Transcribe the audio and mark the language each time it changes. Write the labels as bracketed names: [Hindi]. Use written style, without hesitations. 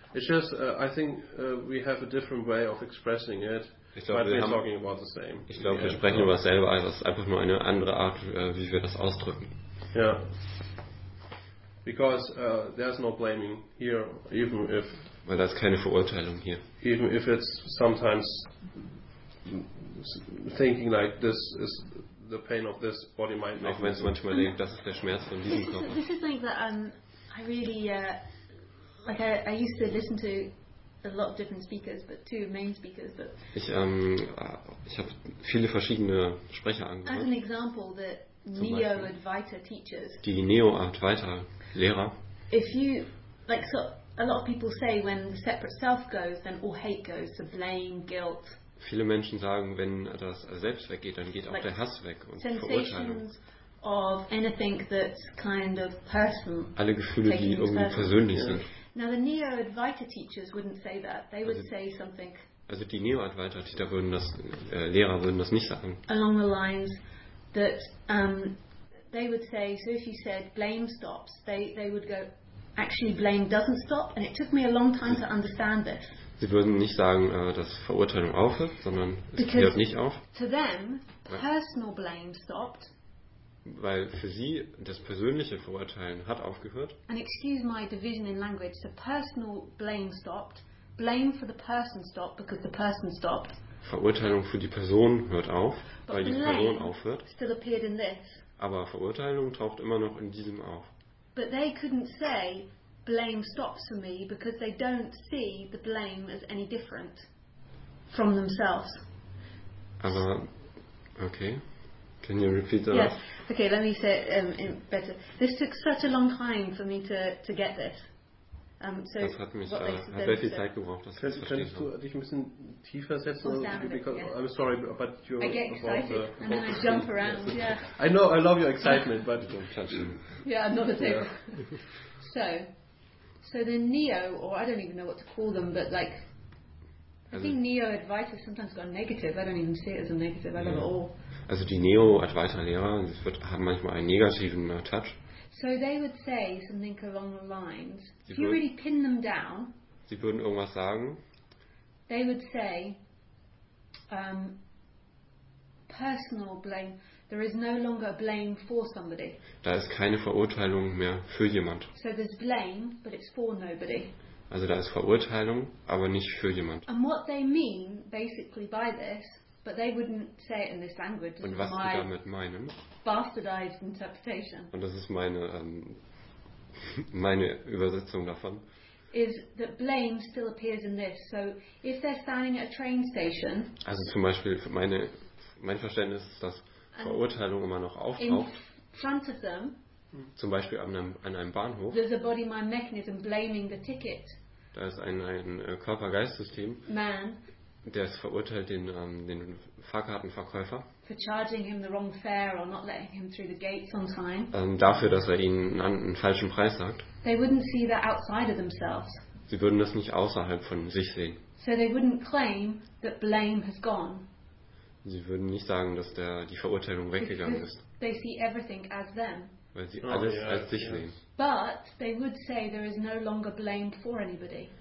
[English] It's just, I think we have a different way of expressing it. [German] Ich glaube, wir sprechen über dasselbe, also es ist einfach nur eine andere Art, wie wir das ausdrücken. Ja. [English] Yeah. Because there's no blaming here, even if. [German] Weil da ist keine Verurteilung hier. [English] Even if it's sometimes thinking like this is the pain of this body mind. [German] Auch wenn es manchmal denkt, das ist der Schmerz von diesem Körper. [English] This is like that. I really like. I used to listen to a lot of different speakers, but two main speakers. But [German] ich habe viele verschiedene Sprecher angehört. [English] As an example, the Neo Advaita teachers. [German] Die Neo Advaita Lehrer. [English] If you like, so a lot of people say when the separate self goes, then all hate goes. So blame, guilt. [German] Viele Menschen sagen, wenn das Selbst weggeht, dann geht auch like der Hass weg und Verurteilung. [English] Of anything that's kind of personal. [German] Alle Gefühle, die irgendwie persönlich sind. [English] Now the Neo Advaita teachers wouldn't say that. They would say something. [German] Also die Neo Advaita Lehrer würden das nicht sagen. [English] Along the lines that they would say, so if you said blame stops, they would go, actually blame doesn't stop, and it took me a long time to understand this. [German] Sie würden nicht sagen, dass Verurteilung aufhört, sondern es hört nicht auf. [English] To them, personal blame stopped. [German] Weil für sie das persönliche Verurteilen hat aufgehört. [English] And excuse my division in language, so personal blame stopped, blame for the person stopped because the person stopped. [German] Verurteilung für die Person hört auf, [English] but [German] weil die Person aufhört. [English] Still appeared in this. [German] Aber Verurteilung taucht immer noch in diesem auf. [English] But they couldn't say blame stops for me because they don't see the blame as any different from themselves. [German] Aber okay. [English] Can you repeat that? Yes. Okay, let me say it better. This took such a long time for me to get this. So [German] das hat mich sehr viel Zeit gebraucht, das zu verstehen. Könntest du dich ein bisschen tiefer setzen? [English] Because, I'm sorry, but you're... I get excited, and then I jump around, yeah. I know, I love your excitement, but... Don't touch me. Yeah, I'm not a table. Yeah. So the Neo, or I don't even know what to call them, but like... I think Neo Advaita sometimes got negative. I don't even see it as a negative. I love it all. [German] Also die Neo Advaita Lehrer, haben manchmal einen negativen Touch. [English] So they would say something along the lines. If you really pin them down. [German] Sie würden irgendwas sagen. [English] They would say, personal blame. There is no longer blame for somebody. [German] Da ist keine Verurteilung mehr für jemand. [English] So there's blame, but it's for nobody. [German] Also da ist Verurteilung, aber nicht für jemand. [English] And what they mean basically by this, but they wouldn't say it in this language. [German] Und was sie damit meinen? [English] Bastardized interpretation. [German] Und das ist meine meine Übersetzung davon. [English] Is that blame still appears in this? So if they're standing at a train station. [German] Also zum Beispiel mein Verständnis ist, dass Verurteilung immer noch auftaucht. [English] In front of them. [German] Zum Beispiel an einem Bahnhof. [English] There's a body mind mechanism blaming the ticket. [German] Da ist ein Körpergeistsystem. [English] Man. [German] Der ist verurteilt den Fahrkartenverkäufer. [English] For charging him the wrong fare or not letting him through the gates on time. [German] Dafür, dass er ihnen einen falschen Preis sagt. [English] They wouldn't see that outside of themselves. [German] Sie würden das nicht außerhalb von sich sehen. [English] So they wouldn't claim that blame has gone. [German] Sie würden nicht sagen, dass die Verurteilung weggegangen ist. [English] They see everything as them. [German] Weil sie alles als sich sehen. [English] But they would say there is no longer blame for anybody.